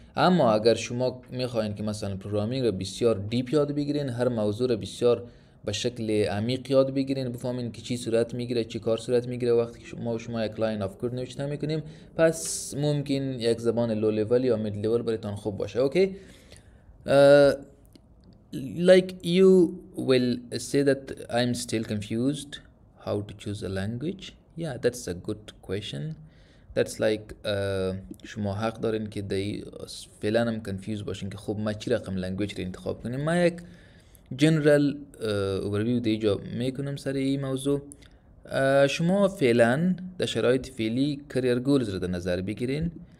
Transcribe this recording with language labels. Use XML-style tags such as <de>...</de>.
<fa>اما اگر شما میخواین که مثلا پروگرامینگ را بسیار دیپ یاد بگیرین، هر موضوع را بسیار به شکل عمیق یاد بگیرین، بفهمین که چی صورت میگیره، چی کار صورت میگیره وقتی که ما و شما یک لاین آف کد نوشته میکنیم، پس ممکن یک زبان لو لول یا مید لول برایتان خوب باشه.</fa> <en>Okay, like you will say that I'm still confused how to choose a language. Yeah, that's a good question. That's like</en> <fa>شما حق دارین که دی فعلا هم کنفیوز باشین که خب ما چی رقم لنگویج رو انتخاب کنیم. ما یک جنرال اوورویو دی جا میکنم سر این موضوع. شما فعلا در شرایط فعلی کریر گولز رو در نظر بگیرین.</fa>